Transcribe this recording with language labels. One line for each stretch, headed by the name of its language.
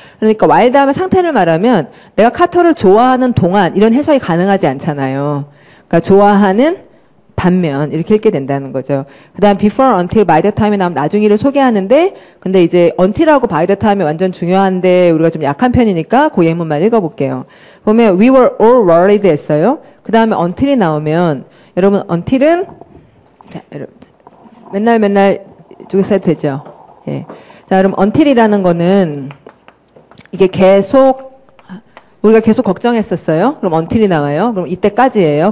Korean: 그러니까 while 다음에 상태를 말하면 내가 카터를 좋아하는 동안 이런 해석이 가능하지 않잖아요. 그러니까 좋아하는 반면 이렇게 읽게 된다는 거죠. 그다음 before, until, by the time이 나오면 나중에를 소개하는데 근데 이제 until하고 by the time이 완전 중요한데 우리가 좀 약한 편이니까 그 예문만 읽어볼게요. 보면
English: we were all worried
Korean: 했어요. 그다음에 until이 나오면 여러분 until은 자 여러분 맨날 이쪽에서 해도 되죠. 예. 자, 그럼 until이라는 거는 이게 계속 우리가 계속 걱정했었어요. 그럼 until이 나와요. 그럼 이때까지예요.